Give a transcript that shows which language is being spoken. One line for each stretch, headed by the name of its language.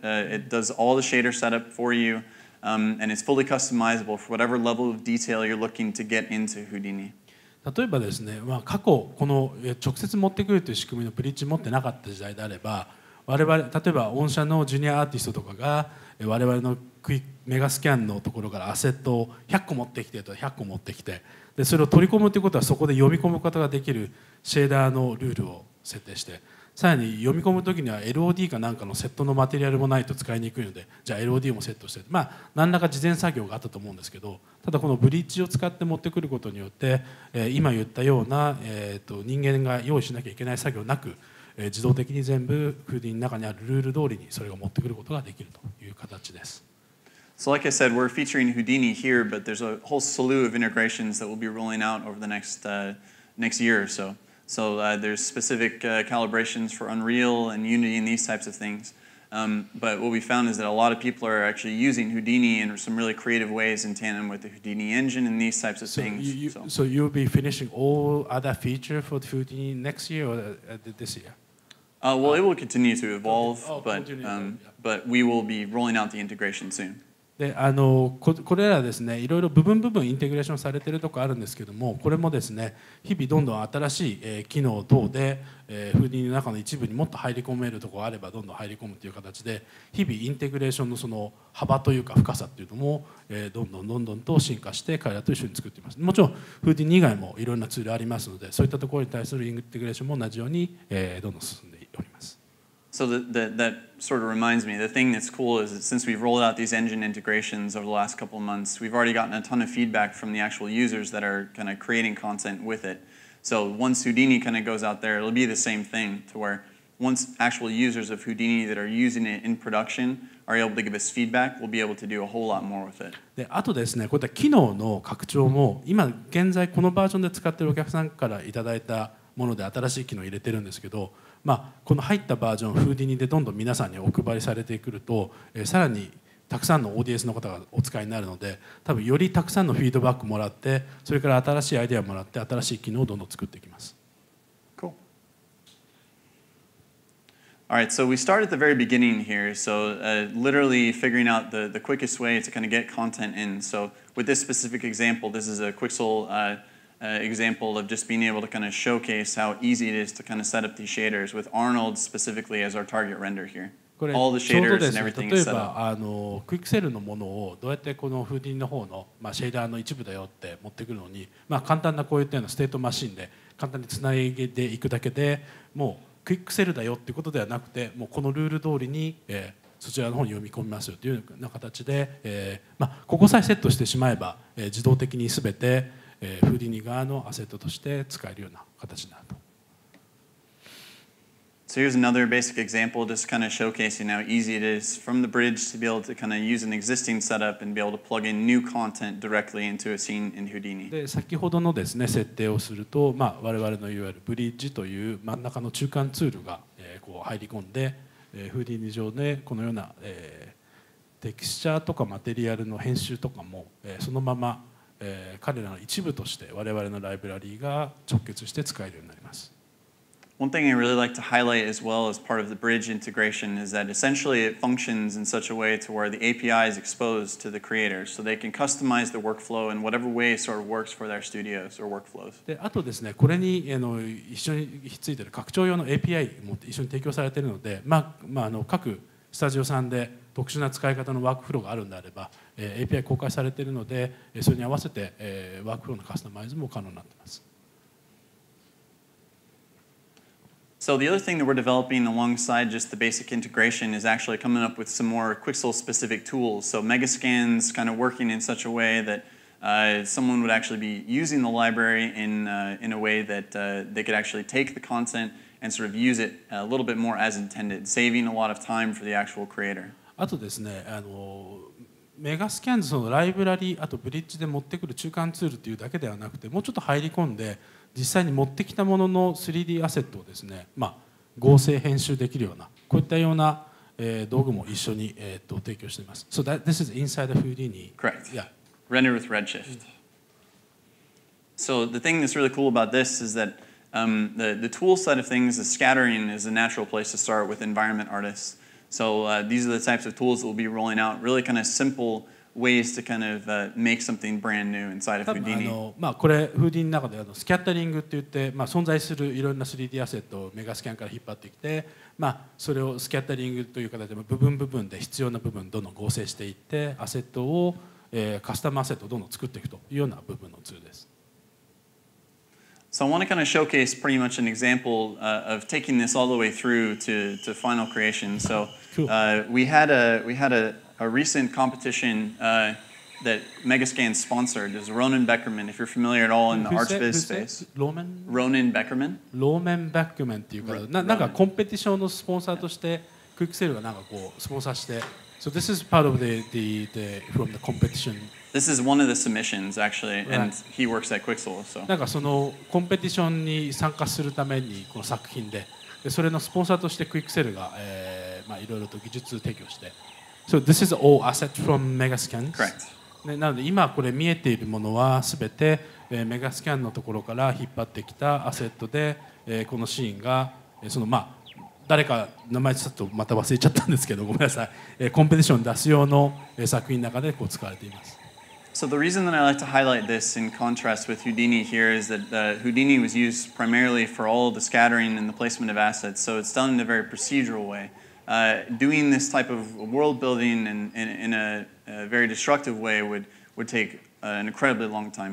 English: It does all the shader setup for you and it's fully customizable for whatever level of detail you're looking to get into Houdini.
Japanese: 例えばですね、まあ、過去この直接持ってくるという仕組みのブリッジ持ってなかった時代であれば我々例えば御社のジュニアアーティストとかが我々のクイメガスキャンのところからアセットを100個持ってきてと100個持ってきてでそれを取り込むということはそこで読み込むことができるシェーダーのルールを設定してさらに読み込むときには LOD か何かのセットのマテリアルもないと使いにくいのでじゃあ LOD もセットして、まあ、何らか事前作業があったと思うんですけどただこのブリッジを使って持ってくることによって、今言ったような、人間が用意しなきゃいけない作業なく、自動的に全部クーディンの中にあるルール通りにそれを持ってくることができるという形です。
English: So like I said, we're featuring Houdini here, but there's a whole slew of integrations that we'll be rolling out over the next year or so. So there's specific calibrations for Unreal and Unity and these types of things. But what we found is that a lot of people are actually using Houdini in some really creative ways in tandem with the Houdini engine and these types of things. So you'll be finishing all other features for Houdini next year or this year? Well, it will continue to evolve, but we will be rolling out the integration soon.
Japanese: であのこれらですねいろいろ部分部分インテグレーションされているところあるんですけどもこれもですね日々どんどん新しい、機能等で、フーディニーの中の一部にもっと入り込めるところがあればどんどん入り込むという形で日々インテグレーションのその幅というか深さというのも、どんどんと進化して彼らと一緒に作っています。もちろんフーディニー以外もいろんなツールありますのでそういったところに対するインテグレーションも同じように、どんどん進んでおります。
English: So that sort of reminds me, the thing that's cool is that since we've rolled out these engine integrations over the last couple of months, we've already gotten a ton of feedback from the actual users that are kind of creating content with it. So once Houdini kind of goes out there, it'll be the same thing to where once actual users of Houdini that are using it in production are able to give us feedback, we'll be able to do a whole lot more with it.
Japanese: で、あとですね、こういった機能の拡張も今現在このバージョンで使っているお客さんからいただいたもので新しい機能を入れてるんですけど、まあ、この入ったバージョンフーディニでどんどん皆さんにお配りされてくると、さらにたくさんのオーディエンスの方がお使いになるので多分よりたくさんのフィードバックもらってそれから新しいアイデアもらって新しい機能をどんどん作っていきます。
English: Cool. All right, so we start at the very beginning here. So literally figuring out the quickest way to kind of get content in. So with this specific example, this is a Quixel example of just being able to kind of showcase how easy it is to kind of set up these shaders with Arnold specifically as our target render here. All the shaders and everything is set up.
Japanese: 例えば、Quixel のものをどうやってこの Houdini の方の、まあ、シェーダーの一部だよって持ってくるのに、まあ、簡単なこういったようなステートマシンで簡単につないでいくだけでもう Quixel だよってことではなくてもうこのルール通りに、そちらの方に読み込みますよというような形で、まあ、ここさえセットしてしまえば、自動的に全てフーディニ側のアセットとして使えるような形になると。
English: So here's another basic example, just kind of showcasing how easy it is from the bridge to be able to kind of use an existing setup and be able to plug in new content directly into a scene in Houdini.
Japanese: で、先ほどのですね、設定をすると、まあ、我々のいわゆるブリッジという真ん中の中間ツールが、こう入り込んで、フーディニ上でこのような、テキスチャーとかマテリアルの編集とかも、そのまま彼らの一部として我々のライブラリーが直結して使えるようになります。
English: One thing I really like to highlight as well as part of the bridge integration is that essentially it functions in such a way to where the API is exposed to the creators so they can customize the workflow in whatever way sort of works for their studios or workflows.
Japanese: で、あとですね、これに一緒についてる拡張用の API も一緒に提供されているので、まあ、各スタジオさんで特殊な使い方のワークフローがあるんであれば、API 公開されているので、それに合わせて、ワークフローのカスタマイズも可能になっています。
English: So the other thing that we're developing alongside just the basic integration is actually coming up with some more Quixel specific tools. So Megascans kind of working in such a way that someone would actually be using the library in a way that they could actually take the content and sort of use it a little bit more as intended, saving a lot of time for the actual creator.
Japanese: あとですね、メガスキャンズのライブラリーあとブリッジで持ってくる中間ツールというだけではなくてもうちょっと入り込んで実際に持ってきたものの 3D アセットをですね、まあ、合成編集できるようなこういったような、道具も一緒に、提供しています。
English: So that, this is inside of Houdini. Correct. Yeah. Render with Redshift. So the thing that's really cool about this is that the tool side of things, the scattering is a natural place to start with environment artists. So these are the types of tools that we'll be rolling out, really kind of simple ways to kind of make something brand new inside of Houdini.
Japanese: これ Houdini の中でスキャッタリングって言って、まあ、存在するいろんな 3D アセットをメガスキャンから引っ張ってきて、まあ、それをスキャッタリングという形で部分部分で必要な部分をどんどん合成していって、アセットを、カスタムアセットをどんどん作っていくというような部分のツールです。
English: So I want to kind of showcase pretty much an example of taking this all the way through to final creation. So we had a recent competition that Megascans sponsored. It was Ronan Beckerman, if you're familiar at all in the Archviz space. Ronan Beckerman?
Japanese: Ronan Beckerman っていうか、なんかコンペティションのスポンサーとして、Quixel がなんかこうスポンサーして。
English: So this is part of the from the competition. This is one of the submissions, actually, and he works at Quixel. So.
Japanese: なんかそのコンペティションに参加するためにこの作品で、でそれのスポンサーとして Quixel が、まあいろいろと技術提供して。
English: So this is all asset from Megascans. Correct.
Japanese: ね、なので今これ見えているものはすべて、Megascans のところから引っ張ってきたアセットで、このシーンが、そのまあ誰か名前ちょっとまた忘れちゃったんですけど、ごめんなさい。コンペティション出す用の作品の中でこう使われています。
English: So the reason that I like to highlight this in contrast with Houdini here is that Houdini was used primarily for all the scattering and the placement of assets. So it's done in a very procedural way. Doing this type of world building in a very destructive way would take an incredibly long time.